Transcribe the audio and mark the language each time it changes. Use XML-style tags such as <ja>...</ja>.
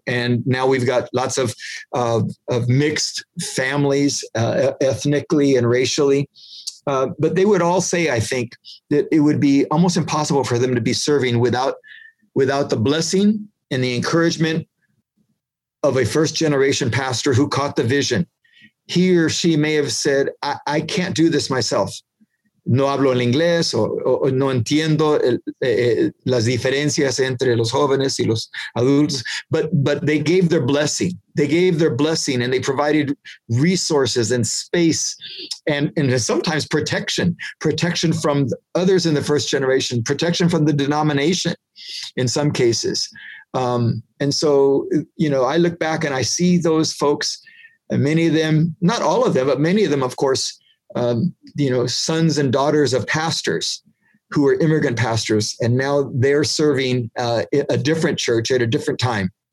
<en>And now we've got lots of mixed families, ethnically and racially. But they would all say, I think, that it would be almost impossible for them to be serving without the blessing and the encouragement of a first generation pastor who caught the vision. He or she may have said, I can't do this myself.</en> <es>No hablo el inglés, o no entiendo las diferencias entre los jóvenes y los adultos.</es> <en>But they gave their blessing. They gave their blessing, and they provided resources and space and sometimes protection from others in the first generation, protection from the denomination in some cases. And so, you know, I look back and I see those folks, and many of them, not all of them, but many of them, of course, you know, sons and daughters of pastors who were immigrant pastors, and now they're serving a different church at a different time.</en>